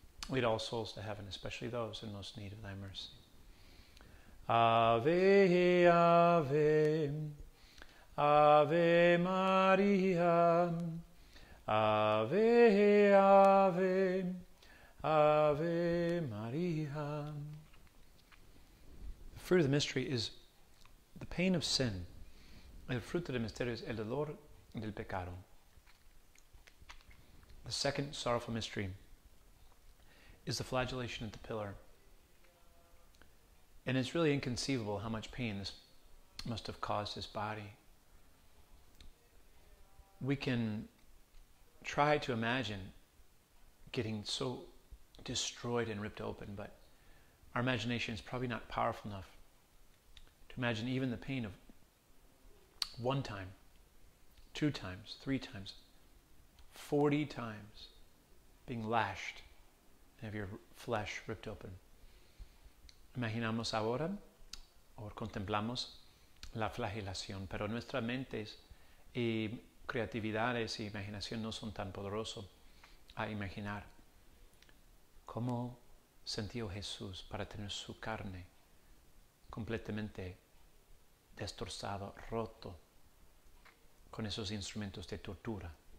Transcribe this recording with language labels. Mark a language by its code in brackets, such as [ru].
[en] Lead all souls to heaven, especially those in most need of thy mercy. [la] Ave, ave, ave Maria, [en] ave, ave, ave Maria. The fruit of the mystery is the pain of sin. [es] El fruto del misterio es el dolor del pecado. [en] The second sorrowful mystery is the flagellation at the pillar. And it's really inconceivable how much pain this must have caused his body. We can try to imagine getting so destroyed and ripped open, but our imagination is probably not powerful enough to imagine even the pain of one time, two times, three times, 40 times being lashed and have your flesh ripped open. [es] Imaginamos ahora, o contemplamos, la flagelación, pero nuestras mentes y creatividades e imaginación no son tan poderosos a imaginar cómo sintió Jesús para tener su carne completamente destrozado, roto, con esos instrumentos de tortura.